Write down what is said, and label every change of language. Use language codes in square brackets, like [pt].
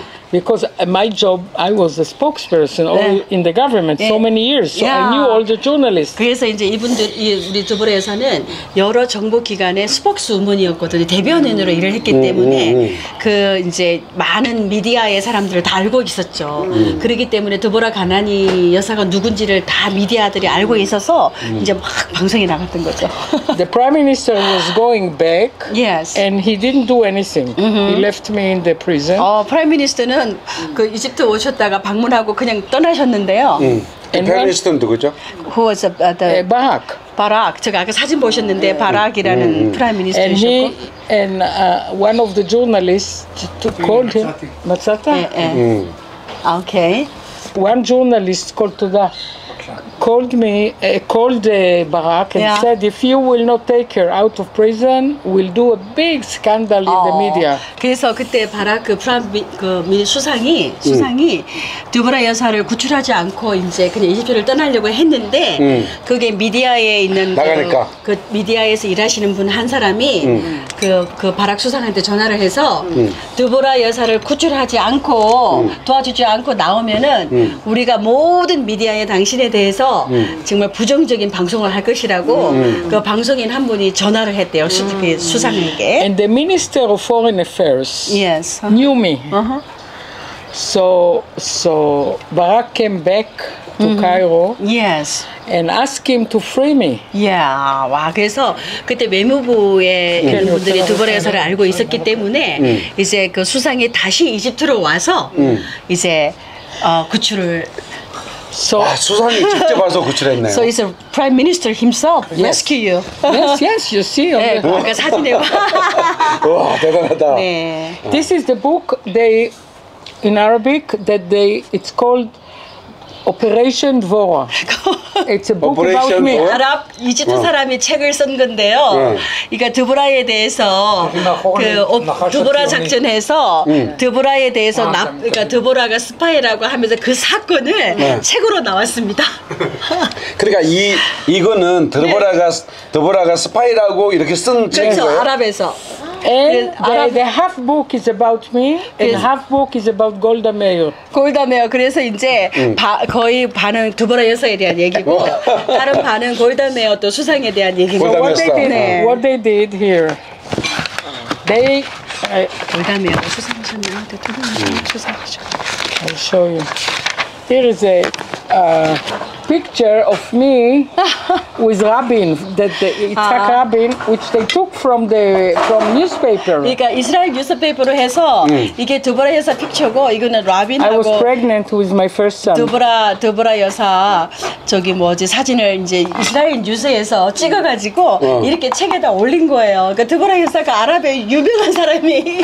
[en] Because my job, I was a spokesperson in the government so many years, so I knew all the journalists. [ko] 그래서 이제 이분들, 우리 두브라에서는 여러 정보 기관의 스폭스우먼이었거든요. 대변인으로 일을 했기 때문에 그 이제 많은 미디어의 사람들을 다 알고 있었죠. 그렇기 때문에 두보라 가나니 여사가 누군지를 다 미디어들이 알고 있어서 이제 막 방송에 나갔던 거죠. [en] The prime minister was going back. Yes. And he didn't do anything. He left me in the prison. [ko] 프라임 미니스터 그 이집트 오셨다가 방문하고 그냥 떠나셨는데요. 페리스톤 누구죠? [en] Who was the [ko] 바락. 바락. 제가 아까 사진 보셨는데 바락이라는 프라임 미니스터이셨고. [en] And one of the journalists called him. 마차타. [ko] 오케이. [en] One journalist called to that. called me, called Barack and said, if you will not take her out of prison, we'll do a big scandal in the media. [ko] 그래서 그때 바락 그 프라임 수상이 두브라 여사를 구출하지 않고 이제 그냥 이집트를 떠나려고 했는데 그게 미디어에 있는 그 미디어에서 일하시는 분 한 사람이 그 바락 수상한테 전화를 해서 두브라 여사를 구출하지 않고 도와주지 않고 나오면은 우리가 모든 미디어에 당신에 대해서 정말 부정적인 방송을 할 것이라고 그 방송인 한 분이 전화를 했대요. 그 수상에게. [en] And the Minister of Foreign Affairs knew me. So Barack came back to Cairo. Yes. And asked him to free me. Yeah. [ko] 와, 그래서 그때 외무부의 이런 분들이 두브라 여사를 알고 있었기 때문에 이제 그 수상이 다시 이집트로 와서 이제 구출을 So 와, 수상이 직접 와서 구출했네요. [en] So it's a prime minister himself rescue you. Yes, yes, you see. [ko] 네, 아까 사진에 봐. 와, 대단하다. 네. [en] This is the book they in Arabic that they it's called Operation Dvorah. It's a book Operation about me. [ko] 아랍 이집트 사람이 책을 쓴 건데요. 그러니까 드브라에 대해서 그 드브라 작전에서 드브라에 대해서 나 그러니까 드브라가 스파이라고 하면서 그 사건을 책으로 나왔습니다. 그러니까 이거는 드브라가 드브라가 스파이라고 이렇게 쓴 책인 거예요. 아랍에서. [en] And the half book is about me, and half book is about Golda Meir. Golda Meir. [ko] 그래서 이제 거의 반은 두브라 여사에 대한 얘기고 다른 반은 골다 메어 또 수상에 대한 얘기고. [en] So what they did? 네. What they did here? They [ko] 골다 메어 수상이셨나요? [en] 수상. I'll show you. Here is a picture of me with Rabin, that the Yitzhak Rabin, which they took from the from newspaper. [ko] 그러니까 이스라엘 뉴스페이퍼로 해서 이게 두브라 여사 픽처고 이거는 라빈하고. [en] I was pregnant with my first son. [ko] 두브라 여사 저기 뭐지 사진을 이제 이스라엘 뉴스에서 찍어가지고 이렇게 책에다 올린 거예요. 그러니까 두브라 여사가 아랍의 유명한 사람이.